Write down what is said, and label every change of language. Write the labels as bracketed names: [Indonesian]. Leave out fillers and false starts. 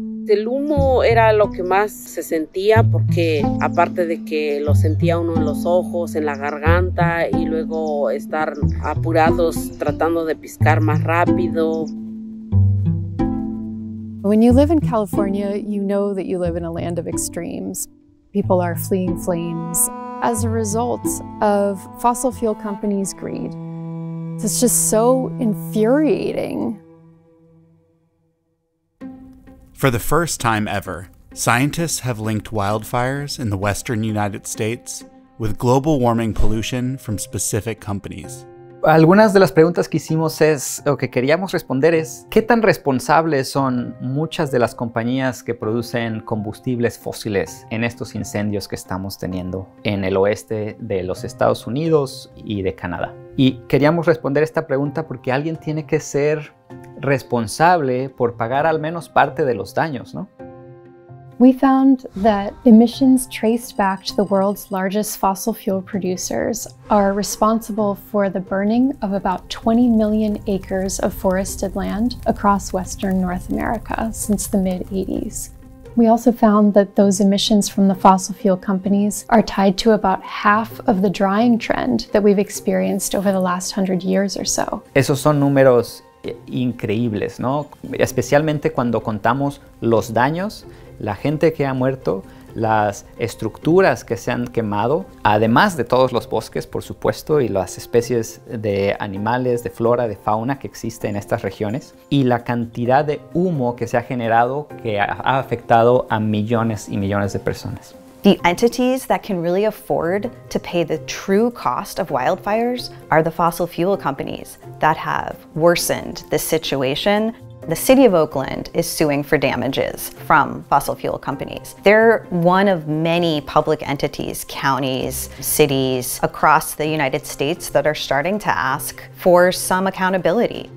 [Spanish] El humo era lo que más se sentía porque aparte de que lo sentía uno en los ojos, en la garganta y luego estar apurados tratando de piscar más rápido. [English] When you live in California, you know that you live in a land of extremes. People are fleeing flames as a result of fossil fuel companies' greed. It's just so infuriating. For the first time ever, scientists have linked wildfires in the western United States with global warming pollution from specific companies. [Spanish] Algunas de las preguntas que hicimos es, o que queríamos responder es, ¿qué tan responsables son muchas de las compañías que producen combustibles fósiles en estos incendios que estamos teniendo en el oeste de los Estados Unidos y de Canadá? Y queríamos responder esta pregunta porque alguien tiene que ser responsable por pagar al menos parte de los daños, ¿no? [English] We found that emissions traced back to the world's largest fossil fuel producers are responsible for the burning of about 20 million acres of forested land across Western North America since the mid-80s. We also found that those emissions from the fossil fuel companies are tied to about half of the drying trend that we've experienced over the last 100 years or so. [Spanish] Esos son números increíbles, ¿no? Especialmente cuando contamos los daños, la gente que ha muerto, las estructuras que se han quemado, además de todos los bosques, por supuesto, y las especies de animales, de flora, de fauna que existe en estas regiones, y la cantidad de humo que se ha generado que ha afectado a millones y millones de personas. [English] The entities that can really afford to pay the true cost of wildfires are the fossil fuel companies that have worsened the situation. The city of Oakland is suing for damages from fossil fuel companies. They're one of many public entities, counties, cities across the United States that are starting to ask for some accountability.